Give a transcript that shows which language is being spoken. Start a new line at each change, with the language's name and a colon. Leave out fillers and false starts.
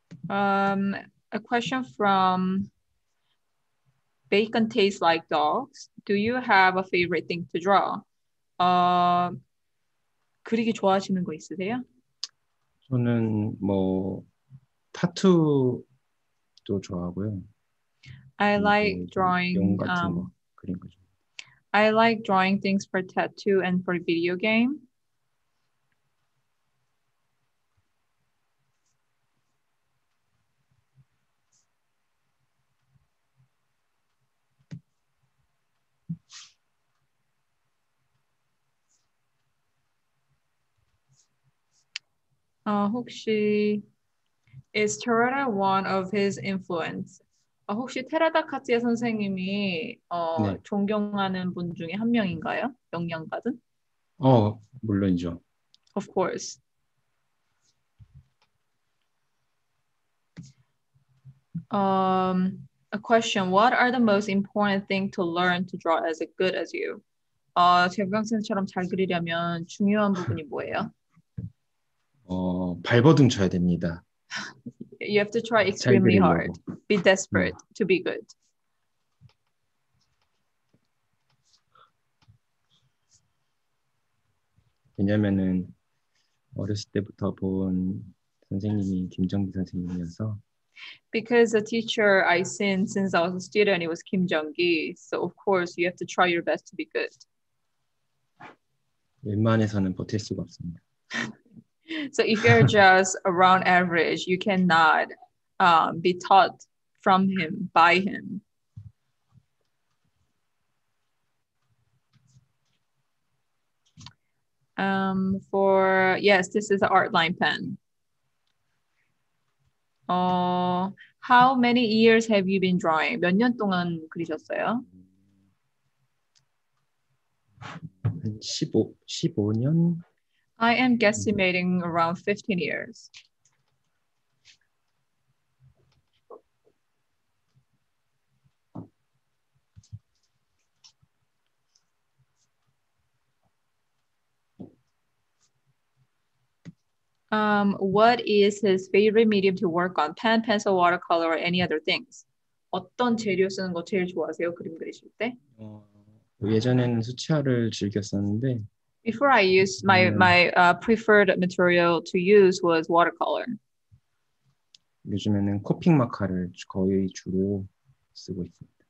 English: A question from Bacon Tastes Like Dogs. Do you have a favorite thing to draw?
Korean: 그리기 좋아하시는 거 있으세요? 저는 뭐 타투도 좋아하고요.
English: I like drawing
Korean: 용 같은 거 그린 거 좋아.
English: I like drawing things for tattoo and for video game.
Korean: 혹시
English: is Terada one of his influence?
Korean: 혹시 테라다 카츠야 선생님이 네. 존경하는 분 중에 한 명인가요? 영향 받은? 물론이죠.
English: Of course. A question. What are the most important thing to learn to draw as good as you?
Korean: 재경 선생처럼 잘 그리려면 중요한 부분이 뭐예요? 발버둥 쳐야 됩니다.
English: You have to try extremely hard. Be desperate to be good.
Korean: 왜냐면은 어렸을 때부터 본 선생님이 김정기 선생님이어서
English: Because a teacher I seen since I was a student it was Kim Jong-gi. So of course you have to try your best to be good.
Korean: 웬만해서는 버틸 수가 없습니다.
English: So if you're just around average, you cannot be taught from him, by him. Yes, this is an art line pen. How many years have you been drawing?
Korean: 몇 년 동안 그리셨어요? 15년?
English: I am guesstimating around 15 years. What is his favorite medium to work on? Pen, pencil, watercolor, or any other things?
Korean: 어떤 재료 쓰는 거 제일 좋아하세요? 그림 그리실 때? 예전에는 수채화를 즐겼었는데.
English: Before I used my preferred material to use was watercolor.
Korean: 요즘에는 코픽 마카를 거의 주로 쓰고 있습니다.